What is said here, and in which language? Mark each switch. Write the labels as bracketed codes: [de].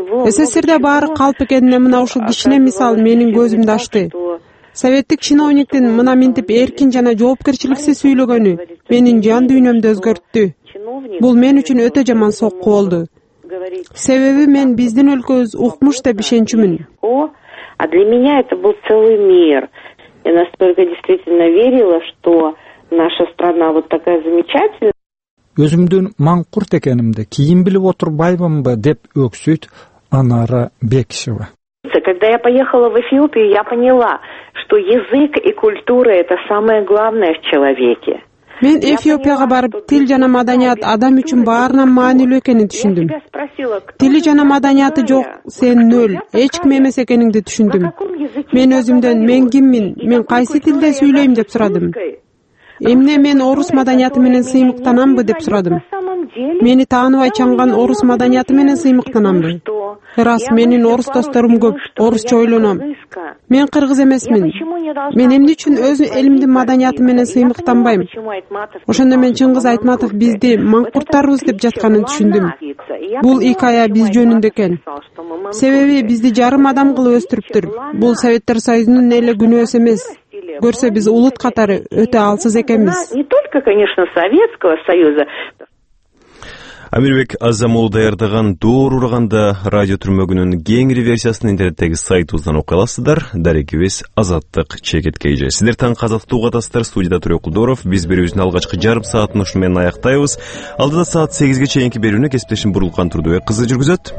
[ky] СССРде баары калп экенине мына ушул кичине мисал менин көзүмдү ачты. Советтик чиновниктин мына минтип эркин жана жоопкерчиликсиз сүйлөгөнү менин жан дүйнөмдү өзгөрттү. Бул мен үчүн өтө жаман сокку болду. Себеби мен биздин өлкөбүз укмуш деп ишенчүмүн. [ru] А для меня это был целый мир. Я настолько действительно верила, что наша страна вот такая замечательная. [ky] Өзүмдүн маңкурт экенимди кийин билип отурбайбынбы деп өксүйт Анара Бекишева. [ru] Когда я поехала в Эфиопию, я поняла, что язык и культура это самое главное в человеке. [ky] Мен Эфиопияга барып, тил жана маданият адам үчүн баарынан маанилүү экенин түшүндүм. Тили жана маданияты жок, сен нөл, эч ким эмес экениңди түшүндүм. Мен өзүмдөн мен киммин, мен кайсы тилде сүйлөйм деп сурадым. Эмне мен орус маданияты менен сыймыктанамбы деп сурадым. Мени тааныбай чаңган орус маданияты менен сыймыктанамбы? Рас, менин орус досторум көп, орусча ойлоном. Мен кыргыз эмесмин. Мен эмне үчүн өз элимдин маданияты менен сыймыктанбайм? Ошондо мен Чыңгыз Айтматов бизди маңкурттарбыз деп жатканын түшүндүм. Бул икая биз жөнүндө экен. Себеби бизди жарым адам кылып өстүрүптүр. Бул Советтер Союзунун эле күнөөсү эмес. Көрсө биз улут катары өтө алсыз экенбиз. [ru] Не только, конечно, Советского Союза. [ky] Амирбек Азамол даярдаган доор урганда радио түрмөгүнүн кеңири версиясын интернеттеги сайтыбыздан окуй аласыздар. Дарекибиз Азаттык чекитке эже. Сиздер таң казактуу атасыздар. Студияда Төрөкулдоров. Биз берүүбүздүн алгачкы жарым саатын ушуну менен аяктайбыз. Алдыда саат 8:00 чейинки берүүнү кесиптешим Бурулкан Турдубек кызы жүргүзөт.